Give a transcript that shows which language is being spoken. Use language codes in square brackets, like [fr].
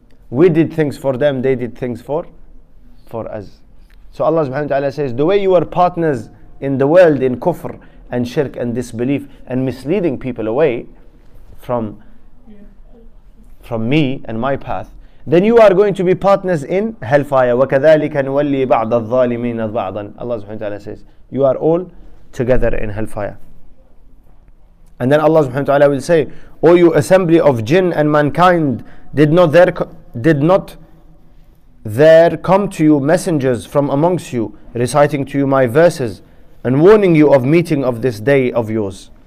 [en] We did things for them, they did things for us. So Allah subhanahu wa ta'ala says, the way you are partners in the world in kufr and shirk and disbelief and misleading people away from me and my path, then you are going to be partners in hellfire. [ar] وَكَذَلِكَ نُوَلِّي بَعْضَ الظَّالِمِينَ بَعْضًا. [en] Allah subhanahu wa ta'ala says, you are all together in hellfire. And then Allah subhanahu wa ta'ala will say, O you assembly of jinn and mankind, did not there come to you messengers from amongst you, reciting to you my verses and warning you of meeting of this day of yours?